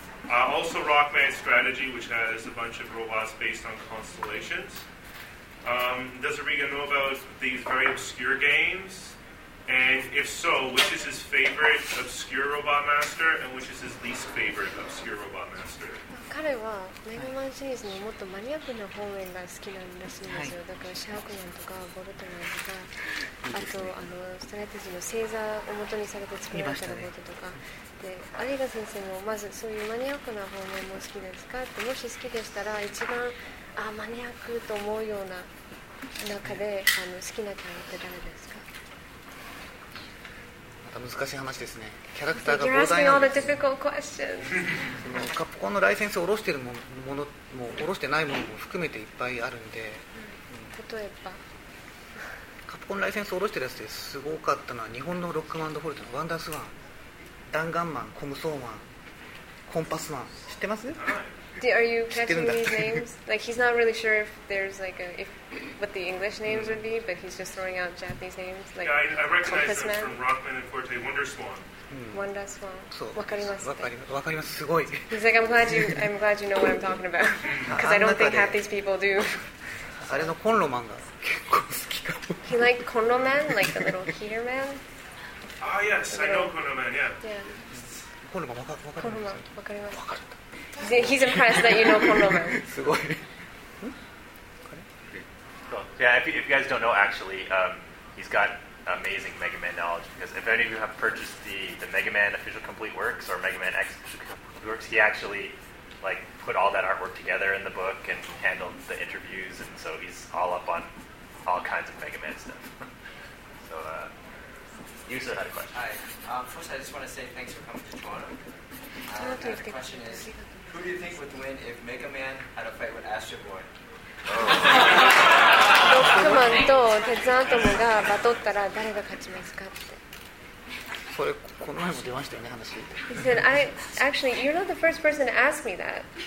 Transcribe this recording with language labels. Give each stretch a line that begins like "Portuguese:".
English: Also Rockman Strategy, which has a bunch of robots based on constellations. Does Ariga know about these very obscure games? And if so, which is his favorite obscure robot master, and which is his least favorite obscure robot master?
Japanese: 彼はメガマンシリーズのもっとマニアックな方面が好きなんらしいんですよ。だからシャークマンとかボルトマンとか、あとあのストラテジーの星座を元にされて作られたロボットとか、で、有賀先生もまずそういうマニアックな方面も好きですかって、もし好きでしたら一番あマニアックと思うような中で、あの好きなキャラって誰ですか？難しい話ですね。キャラクターが膨大なんです。カップコンのライセンスを下ろしているものも下ろしてないものも含めていっぱいあるんで、うん、例えばカップコンのライセンスを下ろしているやつですごかったのは、日本のロックマンドフォルトのワンダースワン、ダンガンマン、コムソーマン、コンパスマン、知ってます？
English: Are you catching these names? Like, he's not really sure if there's like a if what the English names would be, but he's just throwing out Japanese names. Like, yeah, I recognize them from Rockman and Forte. Wonder Swan. Wonder Swan.
Japanese: わかります。わかります。
English: He's like, I'm glad you know what I'm talking about, because I don't think half these people do.
Japanese: あれのコンロマンが結構好きかも。
English: He like Konro Man, like the little heater man. Ah yes, I know Konro Man. Yeah. Yeah.
Japanese: コンロマンわかります。わかります。わかる。
English: He's impressed that you know Konro Man.
Japanese: すごい。
English: Cool. Yeah, if you guys don't know, actually, he's got amazing Mega Man knowledge, because if any of you have purchased the Mega Man Official Complete Works or Mega Man X Complete Works, he actually like put all that artwork together in the book and handled the interviews, and so he's all up on all kinds of Mega Man stuff. So, Yusa had a question. Hi. First, I just want to say thanks for coming to Toronto. The question is, who do you think would win if Mega Man had a fight with Astro Boy?
Japanese: ロックマンとテツアトムがバトったら誰が勝ちますかって。それこの前も出ましたよね話。
English: He said, actually, you're not the first person to ask me that.